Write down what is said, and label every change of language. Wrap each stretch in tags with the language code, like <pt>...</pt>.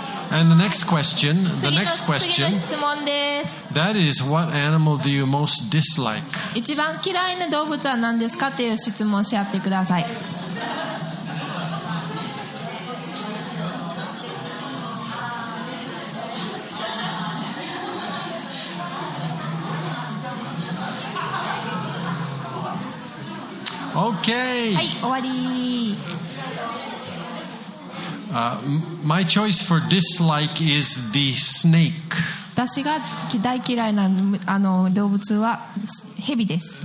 <en>And the next question, the next question.</en> <ja>次の質問です。</ja> <en>That is, what animal do you most dislike?</en> <ja>一番嫌いな動物は何ですかっていう質問し合ってください。</ja> <en>Okay.</en> <ja>はい、終わり。</ja> <en>My choice for dislike is the snake.</en> <ja>私が大嫌いな動物は蛇です。</ja>